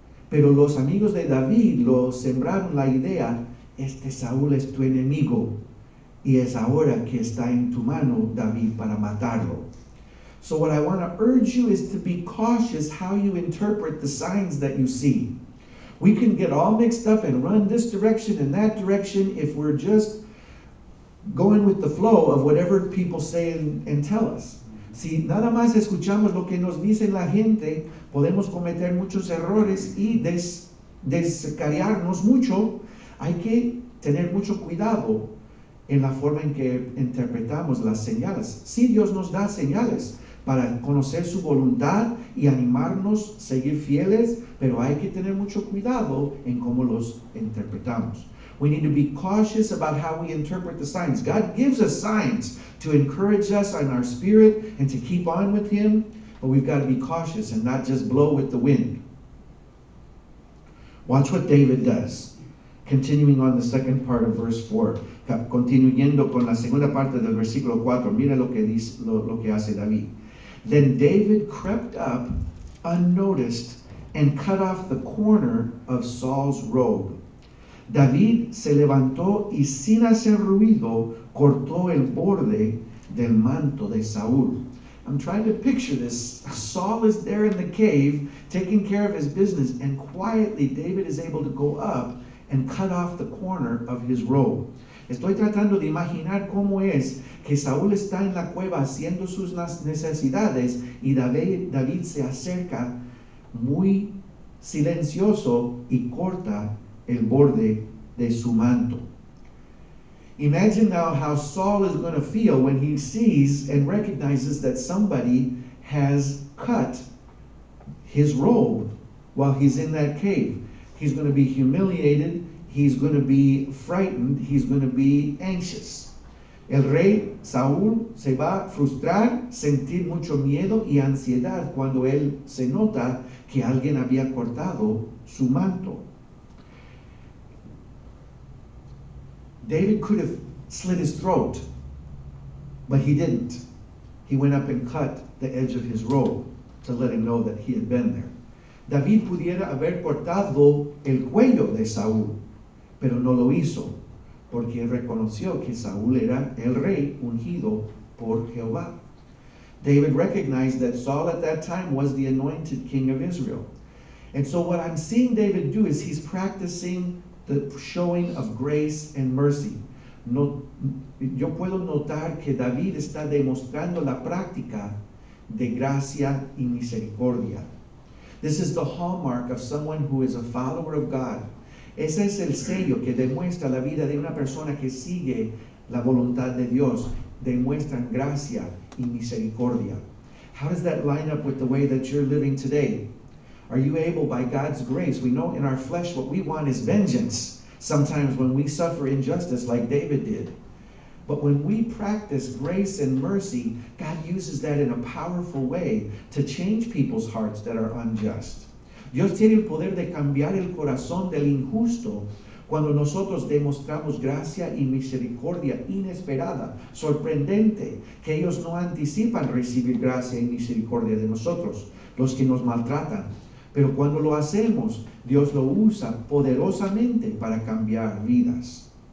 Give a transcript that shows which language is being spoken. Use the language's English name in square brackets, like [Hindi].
[Spanish] Pero los amigos de David lo sembraron la idea, este Saúl es tu enemigo. Y es ahora que está en tu mano, David, para matarlo. [English] So what I want to urge you is to be cautious how you interpret the signs that you see. We can get all mixed up and run this direction and that direction if we're just going with the flow of whatever people say and tell us. [Spanish] Si nada más escuchamos lo que nos dice la gente, podemos cometer muchos errores y descarriarnos mucho. Hay que tener mucho cuidado en la forma en que interpretamos las señales. Sí, Dios nos da señales para conocer su voluntad y animarnos a seguir fieles, pero hay que tener mucho cuidado en cómo los interpretamos. [English] We need to be cautious about how we interpret the signs. God gives us signs to encourage us in our spirit and to keep on with Him, but we've got to be cautious and not just blow with the wind. Watch what David does. Continuing on the second part of verse 4. [Spanish] Continuando con la segunda parte del versículo 4. Mira lo que dice, lo que hace David. [English] Then David crept up unnoticed and cut off the corner of Saul's robe. [Spanish] David se levantó y sin hacer ruido cortó el borde del manto de Saúl. [English] I'm trying to picture this. Saul is there in the cave taking care of his business, and quietly David is able to go up and cut off the corner of his robe. [Spanish] Estoy tratando de imaginar cómo es que Saúl está en la cueva haciendo sus necesidades y David se acerca muy silencioso y corta el borde de su manto. [English] Imagine now how Saul is going to feel when he sees and recognizes that somebody has cut his robe while he's in that cave. He's going to be humiliated. He's going to be frightened. He's going to be anxious. [Spanish] El rey Saúl se va a frustrar, sentir mucho miedo y ansiedad cuando él se nota que alguien había cortado su manto. [English] David could have slit his throat, but he didn't. He went up and cut the edge of his robe to let him know that he had been there. [Spanish] David pudiera haber cortado el cuello de Saúl, pero no lo hizo, porque reconoció que Saúl era el rey ungido por Jehová. [English] David recognized that Saul at that time was the anointed king of Israel. And so what I'm seeing David do is he's practicing the showing of grace and mercy. [Spanish] No, yo puedo notar que David está demostrando la práctica de gracia y misericordia. [English] This is the hallmark of someone who is a follower of God. [Spanish] Ese es el sello que demuestra la vida de una persona que sigue la voluntad de Dios. Demuestran gracia y misericordia. [English] How does that line up with the way that you're living today? Are you able, by God's grace? We know in our flesh what we want is vengeance. Sometimes when we suffer injustice like David did. But when we practice grace and mercy, God uses that in a powerful way to change people's hearts that are unjust. [Spanish] Dios tiene el poder de cambiar el corazón del injusto cuando nosotros demostramos gracia y misericordia inesperada, sorprendente, que ellos no anticipan recibir gracia y misericordia de nosotros, los que nos maltratan. Pero cuando lo hacemos, Dios lo usa poderosamente para cambiar vidas.